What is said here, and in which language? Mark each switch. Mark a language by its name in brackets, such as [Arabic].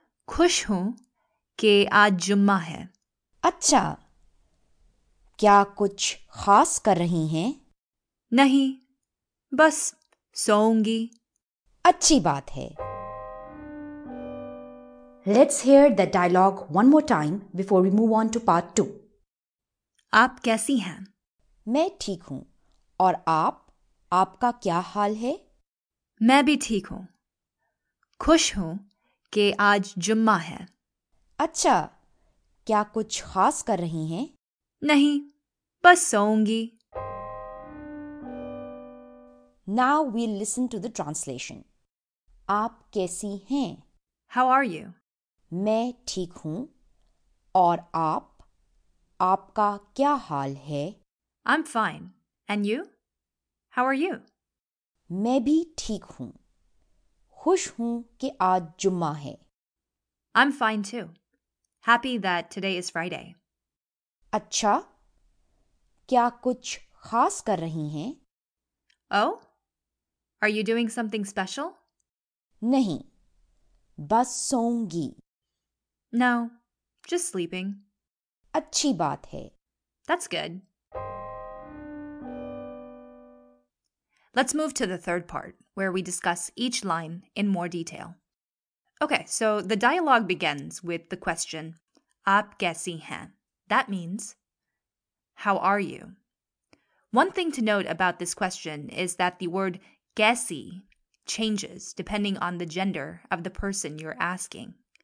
[Hindi] खुश हूं कि आज जुम्मा है. अच्छा, क्या कुछ खास कर रही हैं? नहीं, बस सोऊंगी. अच्छी बात है. [English] Let's hear the dialogue one more time before we move on to part two. [Hindi] आप कैसी हैं? मैं ठीक हूं. और आप? आपका क्या हाल है? मैं भी ठीक हूं. खुश हूं कि आज जुम्मा है. अच्छा, क्या कुछ खास कर रही हैं? नहीं, बस सोऊंगी. [English] Now we listen to the translation. [Hindi] आप कैसी हैं? [English] How are you? [Hindi] मैं ठीक हूं. और आप? आपका क्या हाल है? [English] I'm fine. And you? How are you? [Hindi] मैं भी ठीक हूं. खुश हूं कि आज जुम्मा है. [English] I'm fine too. Happy that today is Friday. [Hindi] अच्छा, क्या कुछ खास कर रही हैं? [English] Oh, are you doing something special? [Hindi] नहीं, बस सोऊंगी. [English] No, just sleeping. [Hindi] अच्छी बात है. [English] That's good. Let's move to the third part, where we discuss each line in more detail. Okay, so the dialogue begins with the question, [Hindi] आप कैसी हैं? [English] That means, how are you? One thing to note about this question is that the word कैसी changes depending on the gender of the person you're asking.